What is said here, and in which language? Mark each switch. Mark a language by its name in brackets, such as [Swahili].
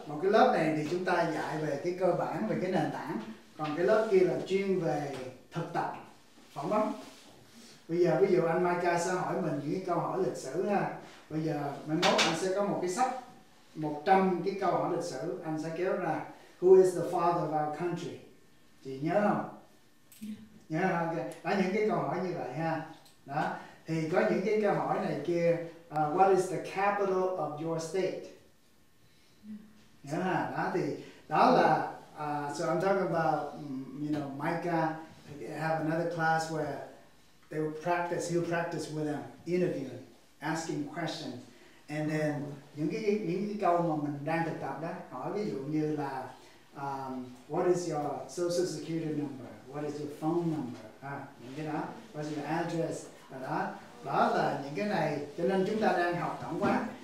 [Vietnamese] Một cái lớp này thì chúng ta dạy về cái cơ bản, về cái nền tảng. Còn cái lớp kia là chuyên về thực tập, phỏng vấn. Bây giờ ví dụ anh Mica sẽ hỏi mình những cái câu hỏi lịch sử ha. Bây giờ mai mốt anh sẽ có một cái sách 100 cái câu hỏi lịch sử. Anh sẽ kéo ra [English] Who is the father of our country? [Vietnamese] Chị nhớ không? Yeah. Nhớ không? Đó những cái câu hỏi như vậy ha. Đó. Thì có những cái câu hỏi này kia [English] What is the capital of your state? Yeah. [Vietnamese] Nhớ không? Đó thì đó là [English] so I'm talking about, you know, Mica, have another class where they will practice, he'll practice with them, interviewing, asking questions. And then, [Vietnamese] những cái câu mà mình đang thực tập đó, hỏi ví dụ như là, [English] what is your social security number? What is your phone number? [Vietnamese] Những cái đó, [English] what's your address? [Vietnamese] Và đó, đó là những cái này, cho nên chúng ta đang học tổng quát.